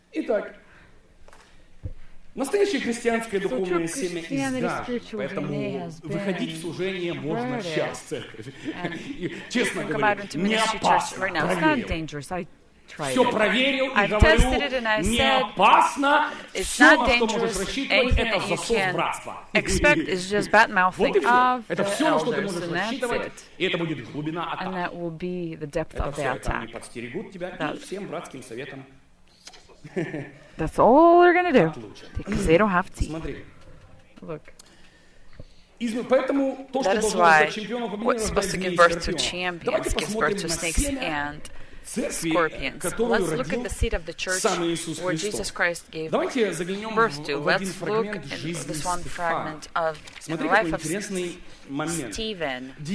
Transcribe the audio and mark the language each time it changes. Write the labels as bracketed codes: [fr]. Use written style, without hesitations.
[ru] Итак, настоящее христианское духовное семя изгажено, поэтому выходить в служение можно сейчас в церковь. Честно говоря, не опасно, проверил. Все проверил и говорю, не опасно, все, на что можешь рассчитывать, это засос братства. [en] Expect is just bad mouthing of the elders, [ru] это все, на что ты можешь рассчитывать, и это будет глубина атаки. [en] And that will be the depth of the attack. [ru] Это все, они подстерегут тебя, и всем братским советом. [en] That's all they're gonna do, because they don't have to. [ru] Смотри. [en] Look. [ru] Поэтому то, что должно быть чемпионом, [en] what's supposed to give birth to champions, gives birth to snakes and scorpions. Let's look at the seat of the church where Jesus Christ gave birth to. Let's look at this one fragment of the life of Stephen.